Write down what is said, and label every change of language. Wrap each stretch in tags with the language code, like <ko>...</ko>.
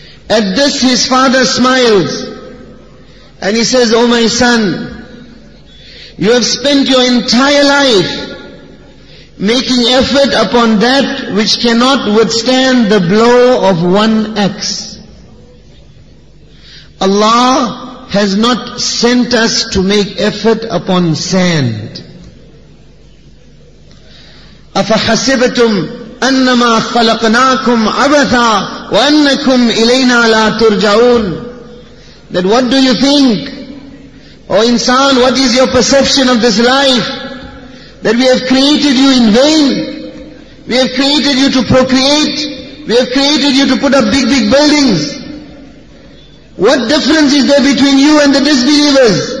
<en>At this his father smiles and he says, "Oh my son, you have spent your entire life making effort upon that which cannot withstand the blow of one axe. Allah has not sent us to make effort upon sand.</en> <ar>أَفَحَسِبْتُمْ أَنَّمَا خَلَقْنَاكُمْ عَبَثًا وَأَنَّكُمْ إِلَيْنَا لَا تُرْجَعُونَ</ar> <en>That what do you think? O insan, what is your perception of this life? That we have created you in vain? We have created you to procreate? We have created you to put up big, big buildings? What difference is there between you and the disbelievers?</en>